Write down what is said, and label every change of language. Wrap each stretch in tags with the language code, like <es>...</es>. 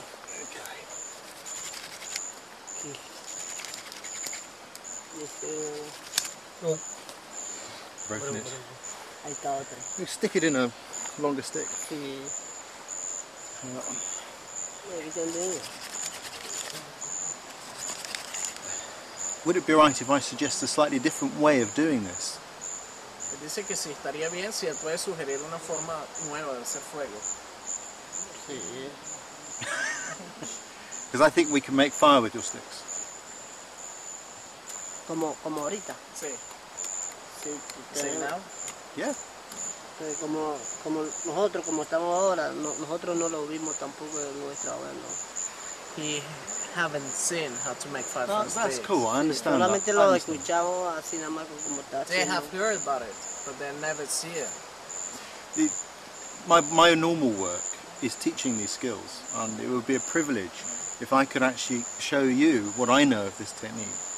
<en>Okay. Oh. Broken it. You stick it in a longer stick. Would it be right if I suggest a slightly different way of doing this?</en> <es>Dice que sí, estaría bien si él puede sugerir una forma nueva de hacer fuego. Sí.</es> <en>Because I think we can make fire with your sticks.</en> <es>Como ahorita. Sí. Sí.</es> <en>Say now. Yeah.</en> <es>Como nosotros como estamos ahora, nosotros no lo vimos tampoco en nuestra obra, ¿no?</es> <en>Y haven't seen how to make fire from sticks. That's cool, I understand.</en> <es>Solamente</es> <en>that.</en> <es>Lo escuchamos así nada más como está.</es> <en>They have heard about it, but they never see it. My normal work is teaching these skills, and it would be a privilege if I could actually show you what I know of this technique.</en>